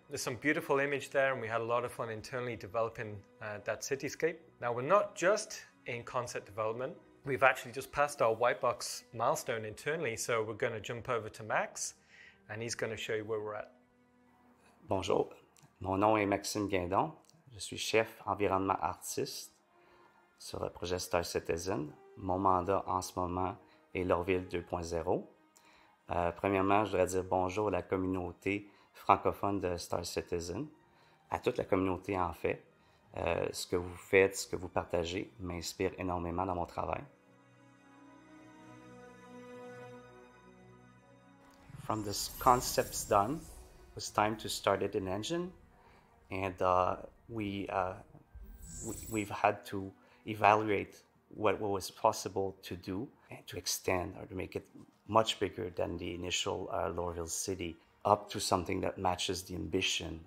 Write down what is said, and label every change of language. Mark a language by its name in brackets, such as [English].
[English] There's some beautiful image there, and we had a lot of fun internally developing that cityscape. Now, we're not just in concept development. We've actually just passed our white box milestone internally, so we're going to jump over to Max, and he's going to show you where we're at. [French] Bonjour. Mon nom est Maxime Guindon. Je suis chef environnement artiste sur le projet Star Citizen. Mon mandat en ce moment est LORVILLE 2.0. Premièrement, je voudrais dire bonjour à la communauté francophone de Star Citizen, à toute la communauté en fait. Ce que vous faites, ce que vous partagez, m'inspire énormément dans mon travail. [English] From this concept's done, it was time to start it in engine, and we've had to evaluate what was possible to do and to extend or to make it much bigger than the initial LORVILLE city, up to something that matches the ambition.